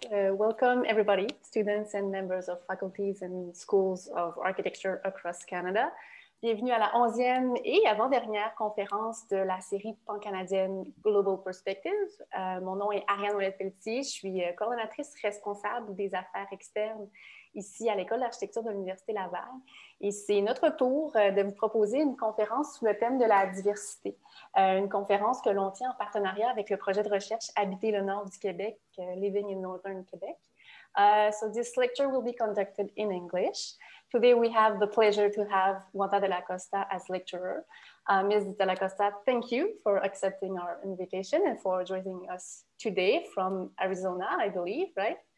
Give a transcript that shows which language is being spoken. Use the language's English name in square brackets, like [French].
[English] Welcome everybody, students and members of faculties and schools of architecture across Canada. [French] Bienvenue à la 11e et avant-dernière conférence de la série pan-canadienne Global Perspectives. Mon nom est Arianne Ouellette-Pelletier, je suis coordonnatrice responsable des affaires externes ici à l'École d'architecture de l'Université Laval. Et c'est notre tour de vous proposer une conférence sous le thème de la diversité. Une conférence que l'on tient en partenariat avec le projet de recherche Habiter le Nord du Québec, Living in Northern Quebec. [English] So this lecture will be conducted in English. Today we have the pleasure to have Wanda de la Costa as lecturer. Ms. de la Costa, thank you for accepting our invitation and for joining us today from Arizona, I believe, right?